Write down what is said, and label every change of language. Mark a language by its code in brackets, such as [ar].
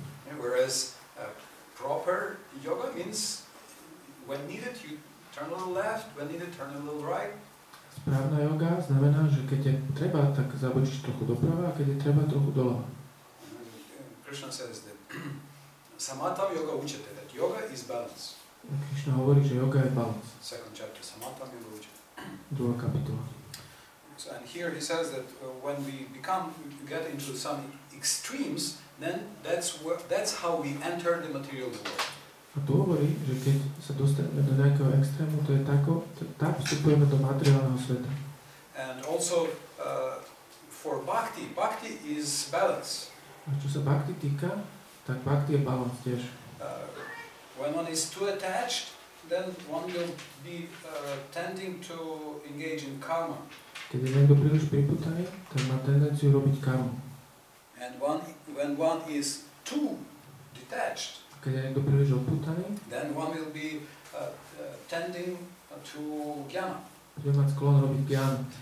[en] Yeah, whereas proper yoga means when needed you turn a little left, when needed turn a little right. [sk] Správna yoga znamená, že keď je treba, tak zabočíš trochu doprava, a keď je treba, trochu doľava. [en] Krishna says that [sa] samatam yoga učete, [en] that yoga is balance. [sk] Krishna hovorí, že yoga je balance. [en] Second chapter, [sa] samatam yoga učete. [sk] Druhá kapitola. [en] So, and here he says that when we become, we get into some extremes, then that's how we enter the material world. [sk] A tu hovorí, že keď sa dostaneme do nejakého extrému, to je tako, tak vstupujeme do materiálneho sveta. [en] And also for bhakti is balance. [sk] A čo sa bhakti týka, tak bhakti je balance tiež. [en] When one is too attached, then one will be tending to engage in karma. [sk] Keď je niekto príliš priputaný, tak má tendenciu robiť karmu. [en] And when one is too detached, [sk] keď je niekto príliš opútaný, [en] then one will be tending to jnana. [sk] Bude mať sklon robiť jnana.